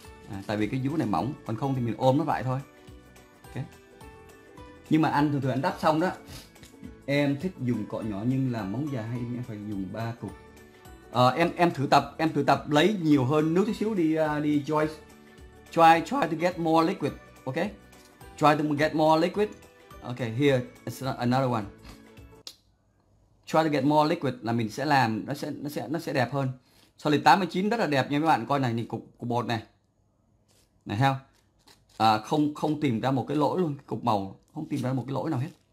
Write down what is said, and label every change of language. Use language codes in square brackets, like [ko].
[vi] À, tại vì cái vú này mỏng, còn không thì mình ôm nó vậy thôi. Okay. Nhưng mà anh thường thường anh đắp xong đó, em thích dùng cọ nhỏ nhưng làm móng dài hay em phải dùng 3 cục? À, em thử tập lấy nhiều hơn nước chút xíu đi đi Joyce. [en] Try to get more liquid, okay? Try to get more liquid. Okay, here is another one. Try to get more liquid [vi] là mình sẽ làm nó sẽ đẹp hơn. Solid 89 rất là đẹp nha mấy bạn, coi này, cục bột này. Này thấy không? À, không tìm ra một cái lỗi luôn, cục màu không tìm ra một cái lỗi nào hết.